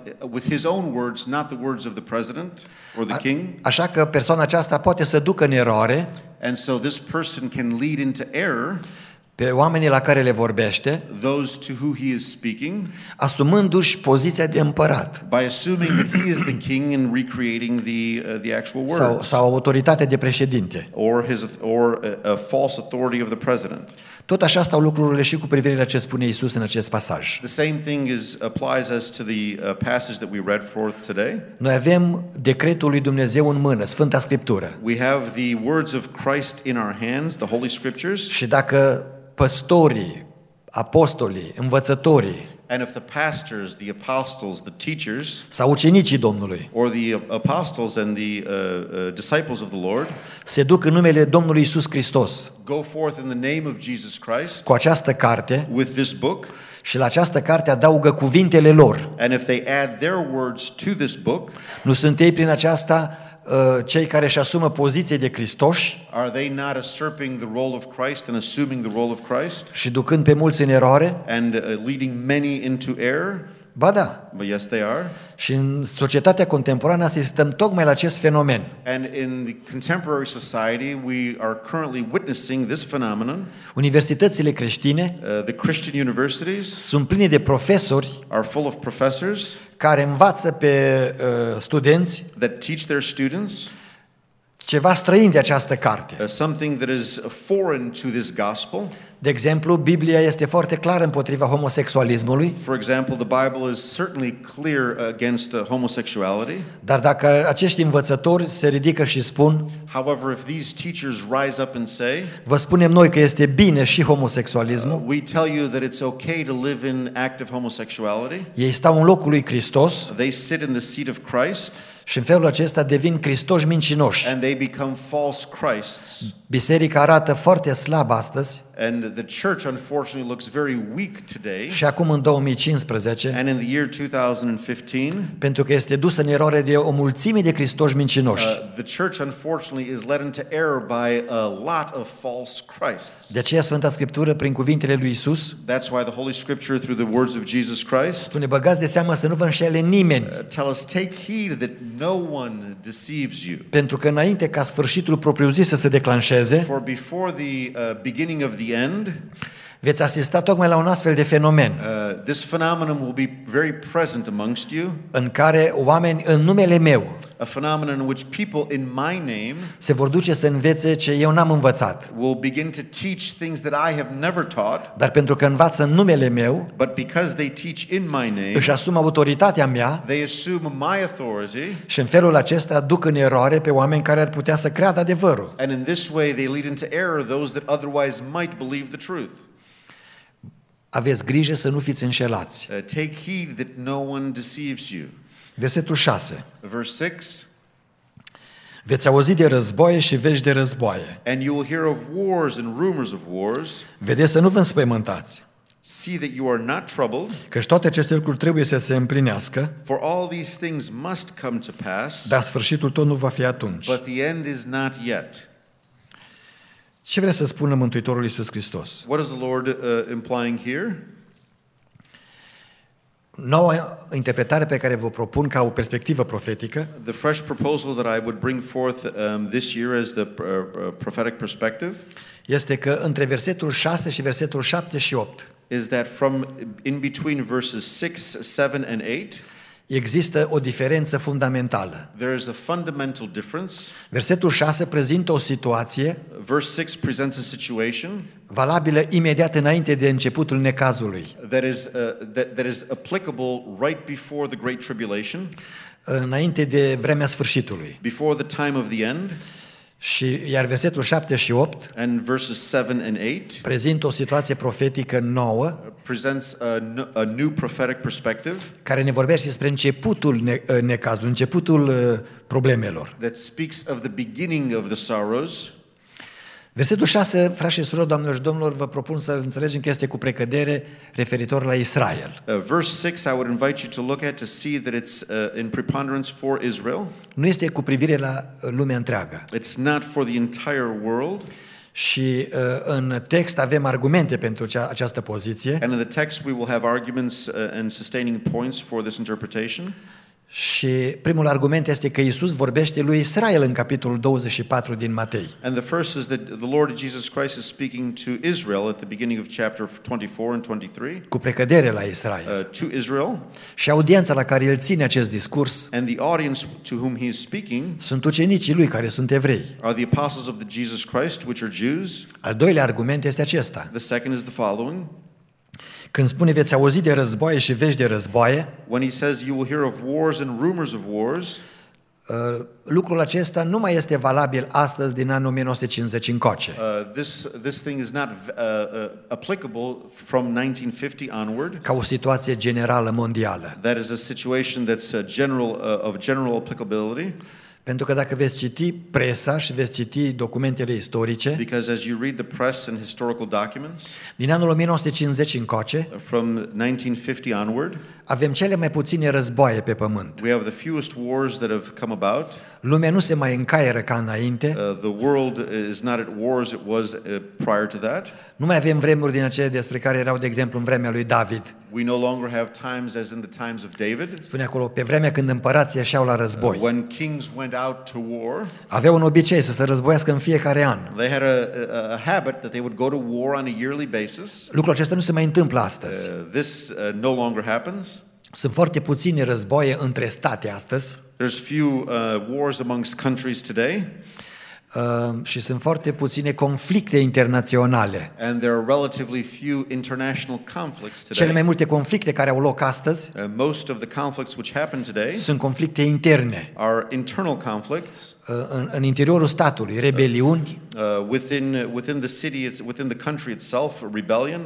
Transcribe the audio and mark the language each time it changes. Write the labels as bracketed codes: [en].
[en] With his own words, not the words of the president or the king. [ro] Așa că persoana aceasta poate să ducă în eroare [en] and so this person can lead into error [ro] pe oamenii la care le vorbește, [en] those to who he is speaking, [ro] asumându-și poziția de împărat, [en] by assuming that he is the king and recreating the actual words, [ro] sau autoritatea de președinte, [en] or a false authority of the president. [ro] Tot așa stau lucrurile și cu privire la ce spune Iisus în acest pasaj. [en] The same thing applies as to the passage that we read forth today. [ro] Noi avem decretul lui Dumnezeu în mână, Sfânta Scriptură. [en] We have the words of Christ in our hands, the Holy Scriptures. [ro] Și dacă păstorii, apostolii, învățătorii, [en] and if the pastors, the apostles, the teachers, [ro] sau ucenicii Domnului, [en] or the apostles and the disciples of the Lord, [ro] se duc în numele Domnului Iisus Hristos, [en] go forth in the name of Jesus Christ, [ro] cu această carte, [en] with this book, [ro] și la această carte adaugă cuvintele lor, [en] and if they add their words to this book, [ro] nu sunt ei prin aceasta cei care își asumă poziția de Hristoși? [en] Are they not usurping the role of Christ and assuming the role of Christ? [ro] Și ducând pe mulți în eroare? [en] And leading many into error? [ro] Ba da. [en] But yes, they are. [ro] Și în societatea contemporană asistăm tocmai la acest fenomen. [en] And in the contemporary society, we are currently witnessing this phenomenon. [ro] Universitățile creștine, [en] the Christian universities, [ro] sunt pline de profesori, [en] are full of professors, [ro] care învață pe studenți, [en] that teach their students, [ro] ceva străin de această carte. [en] Something that is foreign to this gospel. [ro] De exemplu, Biblia este foarte clară împotriva homosexualismului. [en] For example, the Bible is certainly clear against homosexuality. [ro] Dar dacă acești învățători se ridică și spun, [en] however, if these teachers rise up and say, [ro] vă spunem noi că este bine și homosexualismul. [en] We tell you that it's okay to live in active homosexuality. [ro] Ei stau în locul lui Hristos. [en] They sit in the seat of Christ. [ro] Și în felul acesta devin Hristoși mincinoși. [en] And they become false Christs. [ro] Biserica arată foarte slab astăzi. [en] And the church unfortunately looks very weak today. [ro] Și acum în 2015. [en] And in the year 2015. [ro] Pentru că este dusă în eroare de o mulțime de Hristoși mincinoși. [en] The church unfortunately is led into error by a lot of false Christs. [ro] De aceea Sfânta Scriptură prin cuvintele lui Isus. [en] That's why the Holy Scripture through the words of Jesus Christ. [ro] Spune, băgați de seamă să nu vă înșele nimeni. [en] Tell us, take heed that no one deceives you. [ro] Pentru că înainte ca sfârșitul propriu-zis să se declanșeze. [en] For before the beginning of the end. [ro] Veți asista tocmai la un astfel de fenomen. [en] This phenomenon will be very present amongst you. [ro] În care oameni în numele meu. [en] A phenomenon in which people in my name. [ro] Se vor duce să învețe ce eu n-am învățat. [en] Will begin to teach things that I have never taught. [ro] Dar pentru că învață în numele meu. [en] But because they teach in my name. [ro] Își asumă autoritatea mea. [en] They assume my authority. [ro] Și în felul acesta duc în eroare pe oameni care ar putea să creadă adevărul. [en] And in this way they lead into error those that otherwise might believe the truth. [ro] Aveți grijă să nu fiți înșelați. [en] Take heed that no one deceives you. [ro] Versetul 6. [en] Verse 6. [ro] Veți auzi de războaie și vești de războaie. [en] And you will hear of wars and rumors of wars. [ro] Vedeți să nu vă înspăimântați. [en] See that you are not troubled. [ro] Căci toate aceste lucruri trebuie să se împlinească. [en] For all these things must come to pass. [ro] Dar sfârșitul tot nu va fi atunci. [en] But the end is not yet. [ro] Ce vrea să spună Mântuitorul Iisus Hristos? [en] What is the Lord implying here? [ro] Noua interpretare pe care vă propun ca o perspectivă profetică. [en] The fresh proposal that I would bring forth this year as the prophetic perspective. [ro] Este că între versetul 6 și versetul 7 și 8. [en] Is that from in between verses 6, 7 and 8? [ro] Există o diferență fundamentală. [en] There is a fundamental difference. [ro] Versetul 6 prezintă o situație. [en] Verse 6 presents a situation. [ro] Valabilă imediat înainte de începutul necazului. [en] That is applicable right before the great tribulation. [ro] Înainte de vremea sfârșitului. [en] Before the time of the end. [ro] Și iar versetul 7 și 8, [en] and verses 7 and 8 [ro] prezintă o situație profetică nouă, [en] presents a new prophetic perspective, [ro] care ne vorbește despre începutul necazului, începutul problemelor. [en] That speaks of the beginning of the sorrows. [ro] Versetul 6, frați și surori, doamnelor și domnilor, vă propun să înțelegem că este cu precădere referitor la Israel. [en] Verse 6, I would invite you to look at to see that it's in preponderance for Israel. [ro] Nu este cu privire la lumea întreagă. [en] It's not for the entire world. [ro] Și în text avem argumente pentru această poziție. [en] And in the text we will have arguments and sustaining points for this interpretation. [ro] Și primul argument este că Iisus vorbește lui Israel în capitolul 24 din Matei. [en] And the first is that the Lord Jesus Christ is speaking to Israel at the beginning of chapter 24 and 23. [ro] Cu precădere la Israel. [en] To Israel. [ro] Și audiența la care el ține acest discurs. [en] And the audience to whom he is speaking. [ro] Sunt ucenicii lui care sunt evrei. [en] Are the apostles of the Jesus Christ which are Jews. [ro] Al doilea argument este acesta. [en] The second is the following. [ro] Când spune veți auzi de războaie și vești de războaie, [en] when he says you will hear of wars and rumors of wars, [ro] lucrul acesta nu mai este valabil astăzi din anul 1950 încoace. [en] This thing is not applicable from 1950 onward. [ro] Ca o situație generală mondială. [en] That is a situation that's general of general applicability. [ro] Pentru că dacă veți citi presa și veți citi documentele istorice, [en] because as you read the press and historical documents, [ro] din anul 1950 încoace, [en] from 1950 onward, [ro] avem cele mai puține războaie pe pământ. [en] We have the fewest wars that have come about. [ro] Lumea nu se mai încaieră ca înainte. [en] The world is not at war as it was prior to that. [ro] Nu mai avem vremuri din acele despre care erau, de exemplu, în vremea lui David. [en] We no longer have times as in the times of David. [ro] Spune acolo, pe vremea când împărații ieșeau la război. [en] When kings went out to war. [ro] Aveau un obicei să se războiască în fiecare an. [en] They had a habit that they would go to war on a yearly basis. [ro] Lucrul acesta nu se mai întâmplă astăzi. [en] This no longer happens. [ro] Sunt foarte puține războaie între state astăzi. [en] There's few wars amongst countries today. [ro] Și sunt foarte puține conflicte internaționale. [en] And there are relatively few international conflicts today. [ro] Cele mai multe conflicte care au loc astăzi, [en] most of the conflicts which happen today, [ro] sunt conflicte interne. [en] Are internal conflicts. [ro] În interiorul statului, rebeliuni. [en] Within the city, within the country itself, rebellion.